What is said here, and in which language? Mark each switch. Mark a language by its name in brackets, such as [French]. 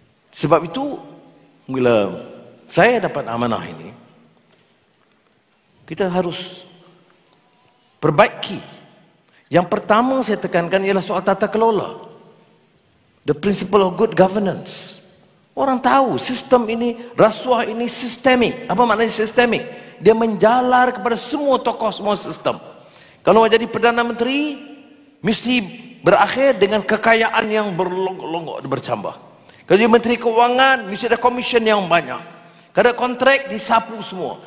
[Malay] Sebab itu bila saya dapat amanah ini, kita harus perbaiki. Yang pertama saya tekankan ialah soal tata kelola. [English] The principle of good governance. [Malay] Orang tahu sistem ini, rasuah ini sistemik. Apa maknanya sistemik? Dia menjalar kepada semua tokoh, semua sistem. Kalau mau jadi Perdana Menteri, mesti berakhir dengan kekayaan yang berlonggok-longgok, bercambah. Kalau jadi Menteri Kewangan, mesti ada komisen yang banyak. Kalau kontrak, disapu semua.